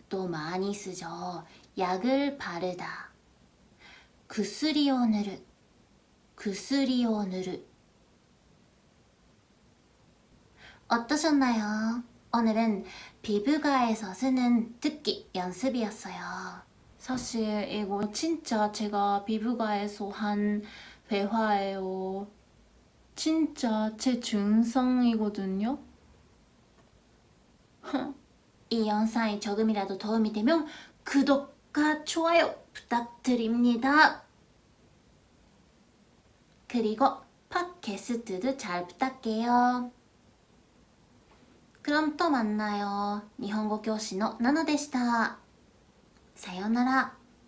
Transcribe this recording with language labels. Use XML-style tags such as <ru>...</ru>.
<ko>또많이쓰죠약을바르다</ko> <ja>薬を塗る薬を塗る</ja> <ko>어떠셨나요오늘은피부과에서쓰는듣기연습이었어요 사실이거진짜제가피부과에서한회화예요진짜제증상이거든요 이영상이조금이라도도움이되면구독과좋아요부탁드립니다그리고팟캐스트도잘부탁해요그럼또만나요</ko> <ja>日本語教師のナナでした。さよなら。</ja>